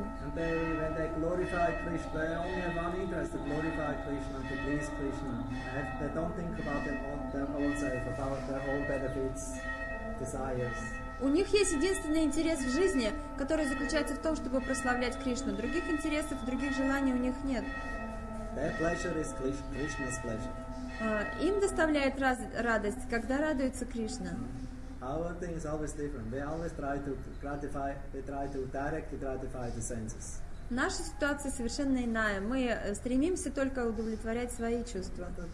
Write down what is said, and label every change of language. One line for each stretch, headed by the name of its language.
Russian: У них есть единственный интерес в жизни, который заключается в том, чтобы прославлять Кришну. Других интересов, других желаний у них нет.
English: Their pleasure is Krishna's pleasure.
Russian: Им доставляет радость, когда радуется Кришна.
English: Our thing is always different. They always try to gratify, they try to directly gratify the senses.
Russian: Наша ситуация совершенно иная. Мы стремимся только удовлетворять свои чувства.